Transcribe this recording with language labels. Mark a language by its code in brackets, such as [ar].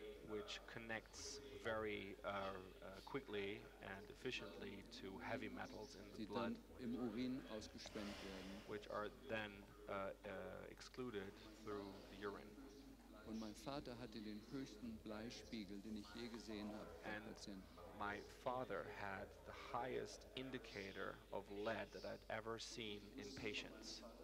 [en] Which connects very quickly and efficiently to heavy metals in the blood, [de] im Urin ausgespendet werden. [en] Which are then excluded through the urine. [de] Und mein Vater hatte den höchsten Bleispiegel, den ich je gesehen habe. [en] And my father had the highest indicator of lead that I'd ever seen in patients.